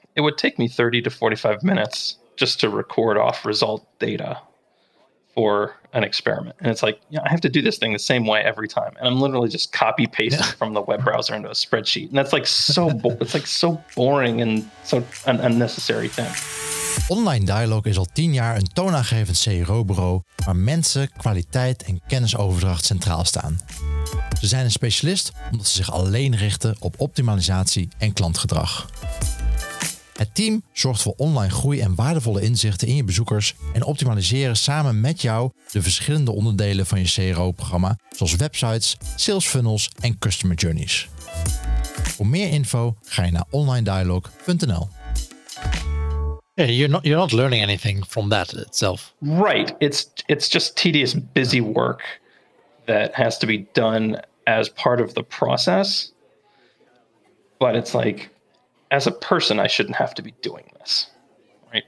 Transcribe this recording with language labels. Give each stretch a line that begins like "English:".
English: it would take me 30 to 45 minutes just to record off result data for an experiment. And it's like, you know, I have to do this thing the same way every time. And I'm literally just copy pasting from the web browser into a spreadsheet. And that's like so, it's like so boring and so an unnecessary thing.
Dutch: Online Dialogue is al 10 jaar een toonaangevend CRO-bureau waar mensen, kwaliteit en kennisoverdracht centraal staan. Ze zijn een specialist omdat ze zich alleen richten op optimalisatie en klantgedrag. Het team zorgt voor online groei en waardevolle inzichten in je bezoekers en optimaliseren samen met jou de verschillende onderdelen van je CRO-programma, zoals websites, sales funnels en customer journeys. Voor meer info ga je naar onlinedialogue.nl.
English: Yeah, you're not learning anything from that itself. Right. It's just tedious, busy work that has to be done as part of the process. But it's like, as a person, I shouldn't have to be doing this, right?